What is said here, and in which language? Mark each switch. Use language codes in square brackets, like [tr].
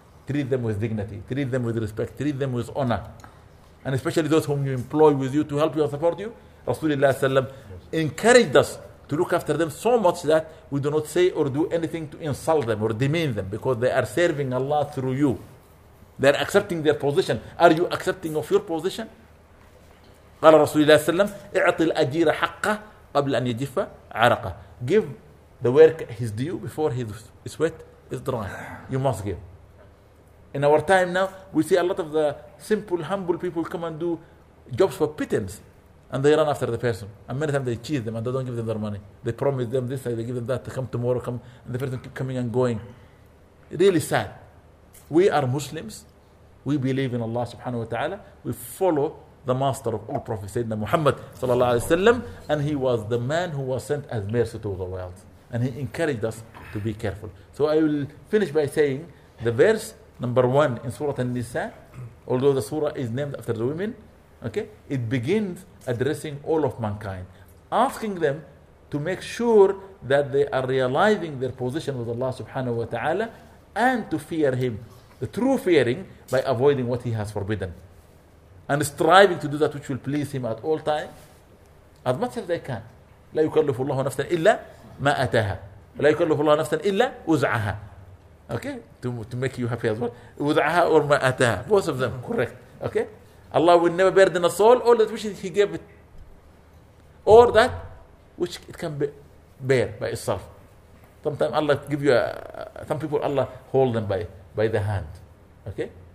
[en] treat them with dignity, treat them with respect, treat them with honor. And especially those whom you employ with you to help you and support you, Rasulullah sallam encouraged us to look after them so much that we do not say or do anything to insult them or demean them, because they are serving Allah through you. They are accepting their position. Are you accepting of your position? [ar] قال رسول الله صلى الله عليه وسلم اعطي الأجير حقه قبل أن يجف عرقه. [en] Give the work his due before his sweat is dry. You must give. In our time now, we see a lot of the simple, humble people come and do jobs for pittance, and they run after the person. And many times they cheat them and they don't give them their money. They promise them this and they give them that to come tomorrow, come, and the person keep coming and going. Really sad. We are Muslims. We believe in Allah subhanahu wa ta'ala. We follow the master of all prophets, Sayyidina Muhammad sallallahu alayhi wa sallam, and he was the man who was sent as mercy to the world. And he encouraged us to be careful. So I will finish by saying the verse number one in Surah An-Nisa, although the surah is named after the women, okay, it begins addressing all of mankind, asking them to make sure that they are realizing their position with Allah subhanahu wa ta'ala and to fear him, the true fearing, by avoiding what he has forbidden and striving to do that which will please him at all time as much as they can. [ar] لا يكلف الله نفسا إلا ما أتاها. لا يكلف الله نفسا إلا وزعها. [en] Okay, to make you happy as well. وزعها or ما أتاها. Both of them, correct. Okay, Allah will never burden a soul all that which he gave it or that which it can bear by itself. Sometimes Allah give you some people Allah hold them by the hand. Okay?